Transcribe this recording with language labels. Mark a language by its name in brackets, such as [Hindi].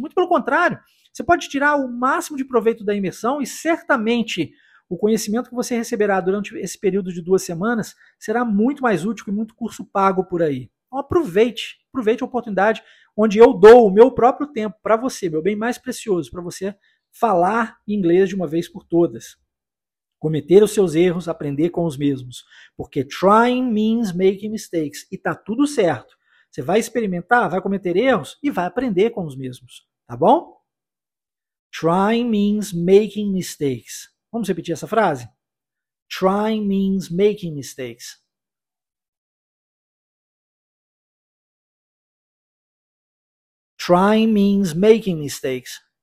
[Portuguese] Muito pelo contrário, você pode tirar o máximo de proveito da imersão e certamente o conhecimento que você receberá durante esse período de 2 semanas será muito mais útil que muito curso pago por aí. Então aproveite a oportunidade onde eu dou o meu próprio tempo para você, meu bem mais precioso, para você falar inglês de uma vez por todas. Cometer os seus erros, aprender com os mesmos. Porque [English] trying means making mistakes. [Portuguese] E tá tudo certo. Você vai experimentar, vai cometer erros e vai aprender com os mesmos. Tá bom? [English] Trying means making mistakes. [Portuguese] Vamos repetir essa frase? [English] Trying means making mistakes. Trying means making mistakes.